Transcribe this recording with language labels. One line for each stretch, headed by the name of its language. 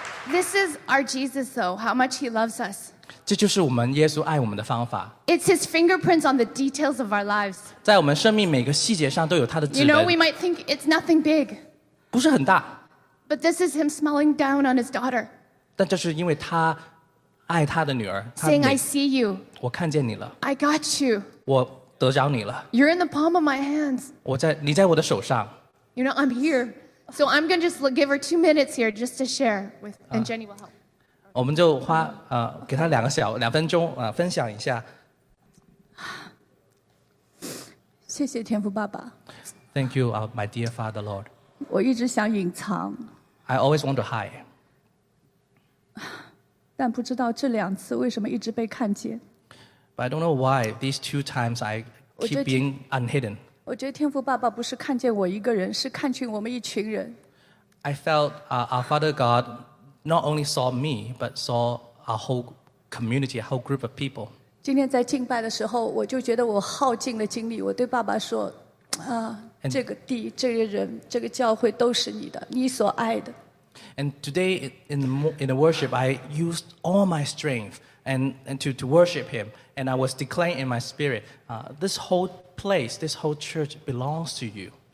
English: This is our Jesus, though, how much he loves us.
Chinese: 这就是我们耶稣爱我们的方法。
English: It's his fingerprints on the details of our lives.
Chinese: 在我们生命每个细节上都有他的指纹。
English: You know, we might think it's nothing big.
Chinese: 不是很大。
English: But this is him smiling down on his daughter.
Chinese: 但这是因为他爱他的女儿。
English: Saying, I see you.
Chinese: 我看见你了。
English: I got you.
Chinese: 我得着你了。
English: You're in the palm of my hands.
Chinese: 你在我的手上。
English: You know, I'm here. So I'm going to just give her 2 minutes here just to share with, and Jenny will help.
Chinese: 我们就花, 给他两分钟, 分享一下。谢谢天父爸爸。
English: Thank you, my dear Father Lord.
Chinese: 我一直想隐藏。
English: I always want to hide.
Chinese: 但不知道这两次为什么一直被看见。
English: But I don't know why these two times I keep being unhidden.
Chinese: 我觉得天父爸爸不是看见我一个人, 是看见我们一群人。
English: I felt our Father God not only saw me, but saw a whole community, a whole group of people.
Chinese: 今天在敬拜的时候, 我就觉得我耗尽了精力, 我对爸爸说, 啊, and, 这个地, 这个人, 这个教会都是你的, 你所爱的。
English: And today in the worship, I used all my strength and to worship him. And I was declaring in my spirit, this whole place, this whole church belongs to you.